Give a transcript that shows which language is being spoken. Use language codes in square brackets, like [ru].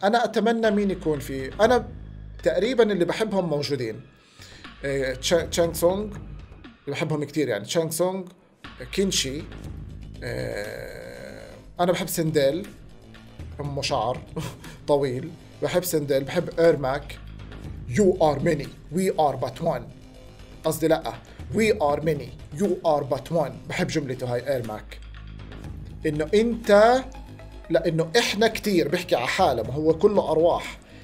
[ar] أنا أتمنى مين يكون فيه. أنا تقريبا اللي بحبهم موجودين، تشانغ سونغ بحبهم كتير، يعني تشانغ سونغ، كينشي، أنا بحب سندل أم شعر طويل، بحب سندل، بحب إيرماك. [en] You are many, we are but one. [ar] قصدي لأ، [en] we are many, you are but one. [ar] بحب جملته هاي إيرماك، إنه إنت، لأنه إحنا كتير، بحكي على حاله، ما هو كله أرواح.